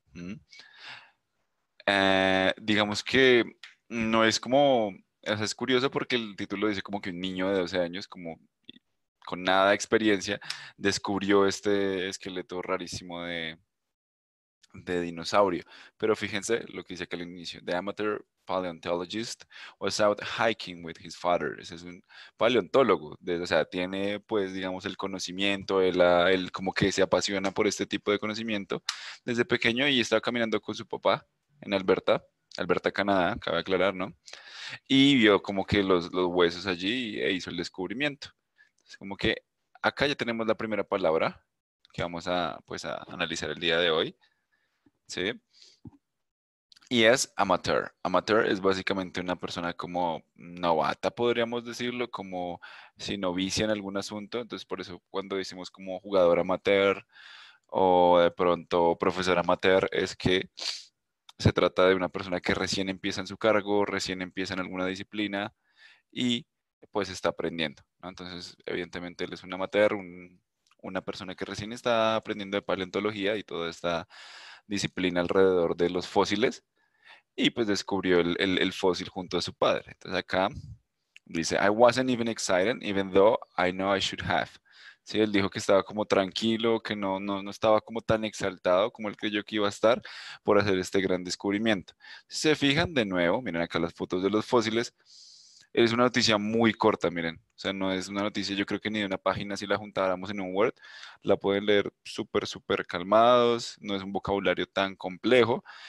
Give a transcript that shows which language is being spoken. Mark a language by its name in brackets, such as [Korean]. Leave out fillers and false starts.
[Spanish] Digamos que no es como... O sea, es curioso porque el título dice como que un niño de 12 años como... con nada de experiencia, descubrió este esqueleto rarísimo de dinosaurio. Pero fíjense lo que dice acá al inicio. [English] The amateur paleontologist was out hiking with his father. [Spanish] Ese es un paleontólogo. O sea, tiene, pues, digamos, el conocimiento, él como que se apasiona por este tipo de conocimiento desde pequeño y estaba caminando con su papá en Alberta, Canadá, cabe aclarar, ¿no? Y vio como que los huesos allí e hizo el descubrimiento. Es como que acá ya tenemos la primera palabra que vamos a, pues, a analizar el día de hoy, ¿sí? Y es amateur. Amateur es básicamente una persona como novata, podríamos decirlo, como si novicia en algún asunto. Entonces, por eso cuando decimos como jugador amateur o de pronto profesor amateur, es que Se trata de una persona que recién empieza en su cargo, recién empieza en alguna disciplina y pues está aprendiendo, ¿no? Entonces, evidentemente, él es un amateur, una persona que recién está aprendiendo de paleontología y toda esta disciplina alrededor de los fósiles y pues descubrió el fósil junto a su padre. Entonces, acá dice, [English] I wasn't even excited, even though I know I should have. [Spanish] Sí, él dijo que estaba como tranquilo, que no estaba como tan exaltado como él creyó que iba a estar por hacer este gran descubrimiento. Si se fijan de nuevo, miren acá las fotos de los fósiles, es una noticia muy corta, miren. O sea, no es una noticia, yo creo que ni de una página si la juntáramos en un Word, la pueden leer súper, súper calmados, no es un vocabulario tan complejo.